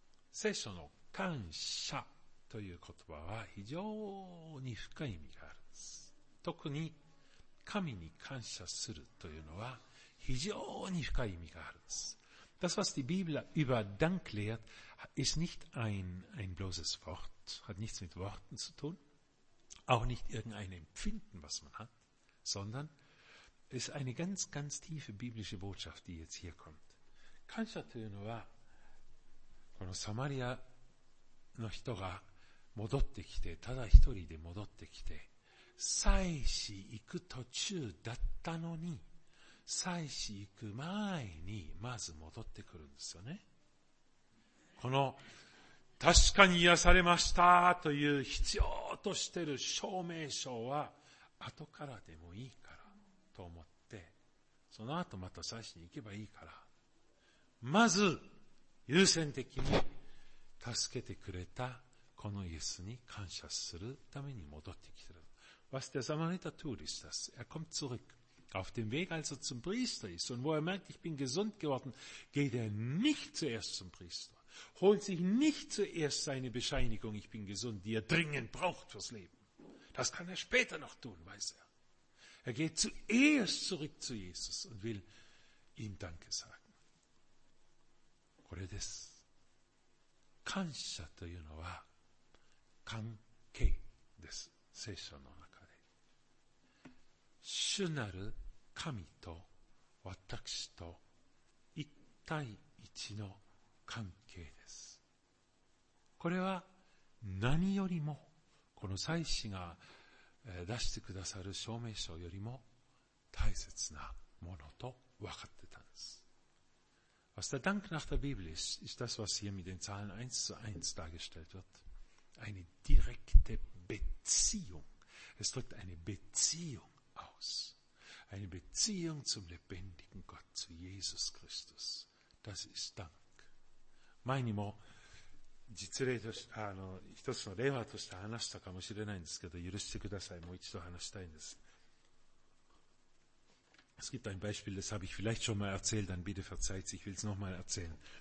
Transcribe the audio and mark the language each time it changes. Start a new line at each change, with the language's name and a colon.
Japanese: Seisho no 感謝という言葉は非常に深い意味があるんです。特に神に感謝するというのは非常に深い意味があるんです。
German: Das, was die Bibel über Dank lehrt, ist nicht ein bloßes Wort, hat nichts mit Worten zu tun, auch nicht irgendein Empfinden, was man hat, sondern ist eine ganz, ganz tiefe biblische Botschaft, die jetzt hier kommt.
Japanese: 感謝というのは、このサマリアの人が戻ってきて、ただ一人で戻ってきて、祭司行く途中だったのに、祭司行く前にまず戻ってくるんですよね。この確かに癒されましたという必要としている証明書は後からでもいいからと思って、その後また祭司に行けばいいから、まず優先的に助けてくれたこのイエスに感謝するために戻ってきている。
German: Was der Samariter tut, ist das. Er kommt zurück. Auf dem Weg, als er zum Priester ist und wo er merkt, ich bin gesund geworden, geht er nicht zuerst zum Priester. Holt sich nicht zuerst seine Bescheinigung, ich bin gesund, die er dringend braucht fürs Leben. Das kann er später noch tun, weiß er. Er geht zuerst zurück zu Jesus und will ihm Danke sagen. Oder das
Japanese: 感謝というのは関係です。聖書の中で。主なる神と私と一対一の関係です。これは何よりもこの祭司が出してくださる証明書よりも大切なものと分かってたんです。
German: Was der Dank nach der Bibel ist, ist das, was hier mit den Zahlen 1 zu 1 dargestellt wird. Eine direkte Beziehung. Es drückt eine Beziehung aus. Eine Beziehung zum lebendigen Gott, zu Jesus Christus. Das ist Dank. Meine
Japanese: も実例として、一つの例話として話したかもしれないんですけど、許してください。もう一度話したいんです。
German: Es gibt ein Beispiel, das habe ich vielleicht schon mal erzählt, dann bitte verzeiht es, ich will es noch mal erzählen.